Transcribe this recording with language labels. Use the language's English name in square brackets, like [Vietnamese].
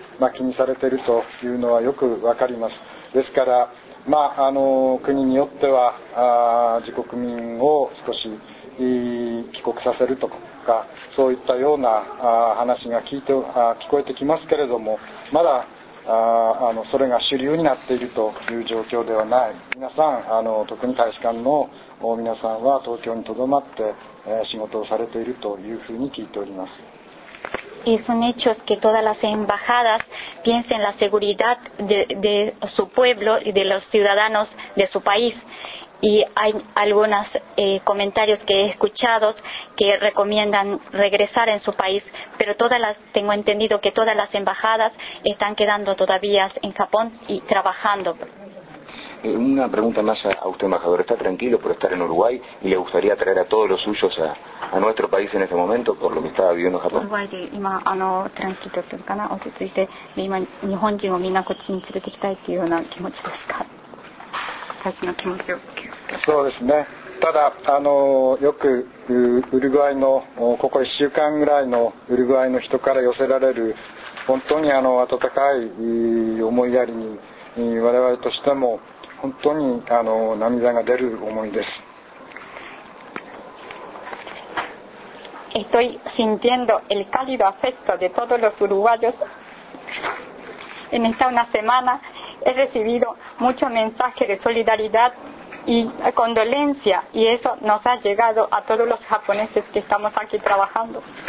[Japanese] まあ、気にされているというのはよくわかります。ですから、まあ、国によっては自国民を少し帰国させるとかそういったような話が聞こえてきますけれども、まだそれが主流になっているという状況ではない。皆さん特に大使館の皆さんは東京に留まって仕事をされているというふうに聞いております。 [Spanish] Es un hecho que todas las embajadas piensen la seguridad de su pueblo y de los ciudadanos de su país. Y hay algunos comentarios que he escuchado que recomiendan regresar en su país, pero tengo entendido que todas las embajadas están quedando todavía en Japón y trabajando. Una pregunta más a usted, embajador. ¿Está tranquilo por estar en Uruguay y le gustaría traer a todos los suyos a nuestro país en este momento por lo que está viviendo Japón? [Japanese] Uruguay de 今 [Spanish] tranquilo [Japanese] というかな落ち着いて今日本人をみんなこっちに連れてきたいっていうような気持ちですか。私の気持ちを。そうですね。ただよくウルグアイのここ1週間ぐらいのウルグアイの人から寄せられる本当に温かい思いやりに我々としても本当に涙が出る思いです。 [Spanish] Estoy sintiendo el cálido afecto de todos los uruguayos. En esta una semana he recibido muchos mensajes de solidaridad y condolencia y eso nos ha llegado a todos los japoneses que estamos aquí trabajando.